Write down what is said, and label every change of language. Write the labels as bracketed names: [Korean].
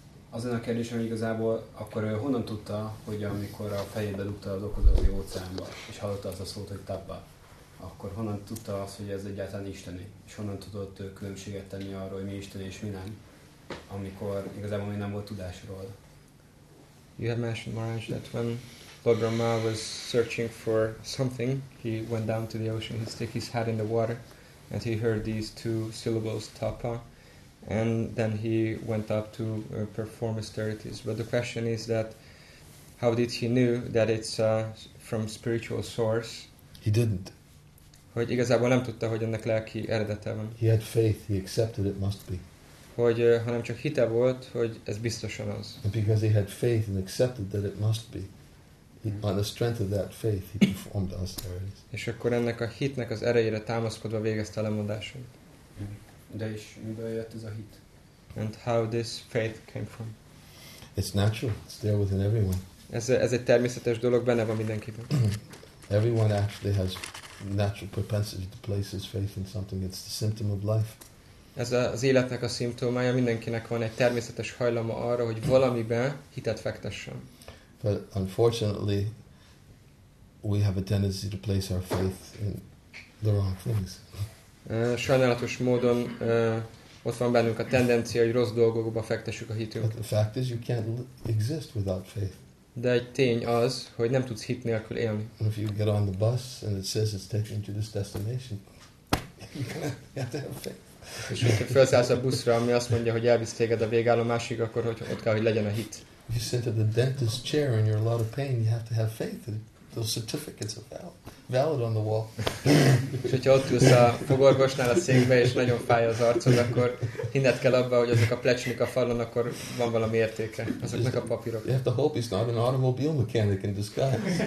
[Hungarian] Azon a kérdésem igazából, akkor ő honnan tudta, hogy amikor a fejébe dugta az okot az óceánba, és hallotta az a szót, hogy tapa, akkor honnan tudta azt, hogy ez egyáltalán isteni? És honnan tudott különbséget tenni arról, hogy mi isteni és mi nem? Amikor igazából még nem volt tudásról. [English] You have mentioned, Maharaj, that when Lord Brahma was searching for something, he went down to the ocean, he stick his head in the water, and he heard these two syllables, tapa, and then he went up to perform austerities. But the question is that, how did he know that it's from spiritual source? He didn't. [Hungarian] Hogy igazából nem tudta, hogy ennek lelki eredete van. [English] He had faith, he accepted it must be. [Hungarian] Hogy hanem csak hite volt, hogy ez biztosan az. [English] And because he had faith and accepted that it must be, on the strength of that faith, he performed austerities. [Hungarian] És akkor ennek a hitnek az erejére támaszkodva végezte a lemondásait. De is miből jött ez a hit? [English] And how this faith came from? It's natural, it's there within everyone. [Hungarian] Ez egy természetes dolog, benne van mindenkiben. [English] Everyone actually has natural propensity to place his faith in something. It's the symptom of life. [Hungarian] Ez az életnek a szimptomája, mindenkinek van egy természetes hajlama arra, hogy valamiben hitet fektessen. [English] But unfortunately, we have a tendency to place our faith in the wrong things. [Hungarian] Sajnálatos módon ott van bennünk a tendencia, hogy rossz dolgokba fektessük a hitünket. [English] But the fact is, you can't exist without faith. [Hungarian] De egy tény az, hogy nem tudsz hit nélkül élni. [English] If you get on the bus and it says it's taking you to this destination, you can't have faith. [Hungarian] És hogyha felszállsz a buszra, ami azt mondja, hogy elvisz téged a végállomásig, akkor hogy ott kell, hogy legyen a hit. [English] If you sit at the dentist chair and you're a lot of pain, you have to have faith that those certificates are valid on the wall. [Hungarian] És hogyha ott ülsz a fogorvosnál a székbe, és nagyon fáj az arcod, akkor hinned kell abba, hogy azok a plecsnik a falon, akkor van valami értéke azoknak a papírok. [English] You have to hope he's not an automobile mechanic in disguise.